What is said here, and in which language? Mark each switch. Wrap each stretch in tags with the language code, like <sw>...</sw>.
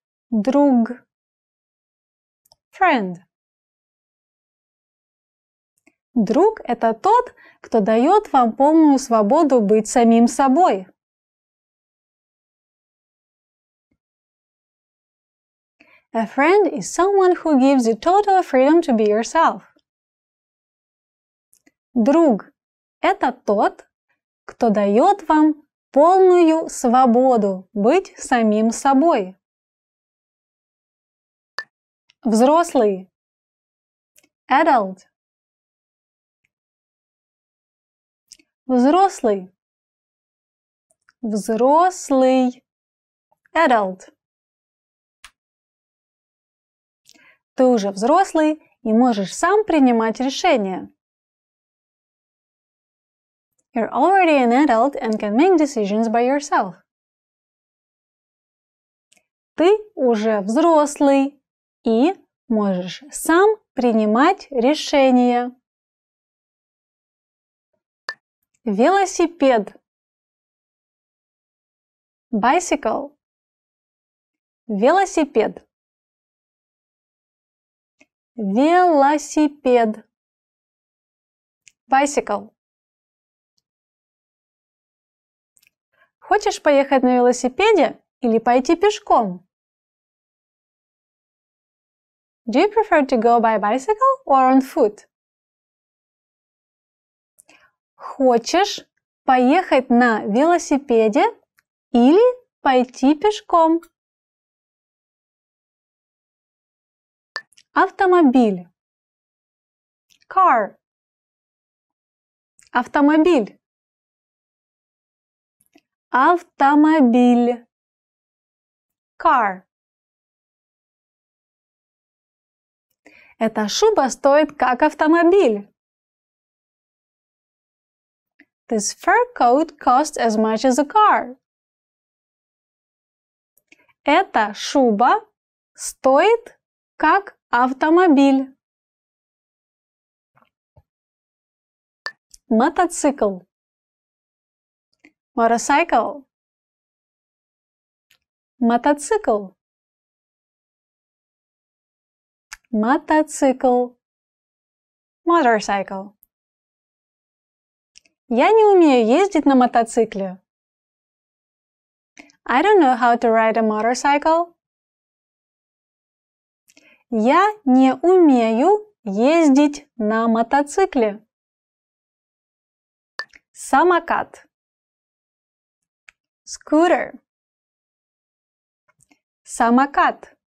<ru>Друг.</ru> <en>Friend.</en> <ru>Друг – это тот, кто дает вам полную свободу быть самим собой.</ru> <en>A friend is someone who gives you total freedom to be yourself.</en> <ru>Друг – это тот, кто дает вам полную свободу быть самим собой. Взрослый.</ru> <en>Adult.</en> <ru>Взрослый. Взрослый.</ru> <en>Adult.</en> <ru>Ты уже взрослый и можешь сам принимать решения.</ru> <en>You're already an adult and can make decisions by yourself.</en> <ru>Ты уже взрослый и можешь сам принимать решения. Велосипед.</ru> <en>Bicycle.</en> <ru>Велосипед. Велосипед.</ru> <en>Bicycle.</en> <ru>Хочешь поехать на велосипеде или пойти пешком?</ru> <en>Do you prefer to go by bicycle or on foot?</en> <ru>Хочешь поехать на велосипеде или пойти пешком? Автомобиль.</ru> <en>Car.</en> <ru>Автомобиль. Автомобиль.</ru> <en>Car.</en> <ru>Эта шуба стоит как автомобиль.</ru> <en>This fur coat costs as much as a car.</en> <ru>Эта шуба стоит как автомобиль. Мотоцикл.</ru> <en>Motorcycle.</en> <ru>Мотоцикл. Мотоцикл.</ru> <en>Motorcycle.</en> <ru>Я не умею ездить на мотоцикле.</ru> <en>I don't know how to ride a motorcycle.</en> <ru>Я не умею ездить на мотоцикле. Самокат. Скутер. Самокат.</ru>